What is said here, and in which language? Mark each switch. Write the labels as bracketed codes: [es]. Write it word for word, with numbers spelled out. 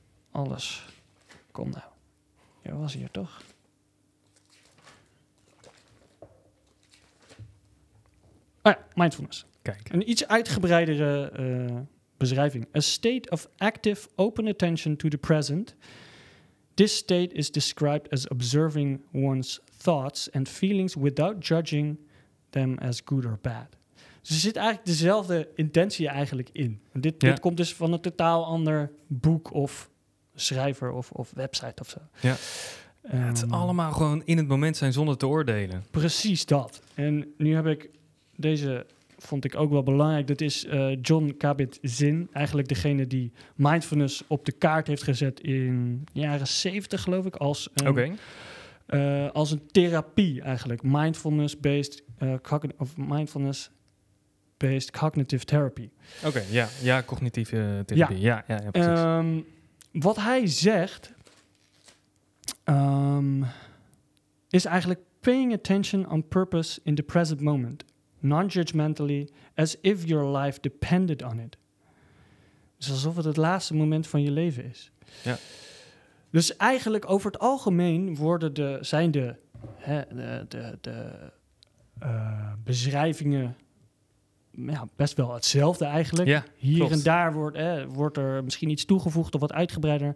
[nl] Alles. Kom nou. Je was hier toch? Ah ja, mindfulness. Kijk. Een iets uitgebreidere uh, beschrijving. [en] A state of active open attention to the present. This state is described as observing one's thoughts and feelings without judging them as good or bad. [nl] Dus er zit eigenlijk dezelfde intentie eigenlijk in. En dit, ja. dit komt dus van een totaal ander boek of schrijver of, of website of zo. Ja. Um, ja, het is allemaal gewoon in het moment zijn zonder te oordelen. Precies dat. En nu heb ik... Deze vond ik ook wel belangrijk. Dat is uh, John Kabat-Zinn. Eigenlijk degene die mindfulness op de kaart heeft gezet in de jaren zeventig, geloof ik. Als een, okay. uh, als een therapie eigenlijk. [en] Mindfulness-based uh, cogn- of mindfulness-based cognitive therapy. [nl] Oké, okay, ja, ja, cognitieve uh, therapie. Ja, ja, ja, ja precies. Um, wat hij zegt um, is eigenlijk [en] paying attention on purpose in the present moment. Non-judgmentally, as if your life depended on it. [nl] Dus alsof het het laatste moment van je leven is. Ja. Dus eigenlijk over het algemeen worden de, zijn de, hè, de, de, de uh, beschrijvingen ja, best wel hetzelfde eigenlijk. Ja, Hier klopt. en daar wordt, hè, wordt er misschien iets toegevoegd of wat uitgebreider.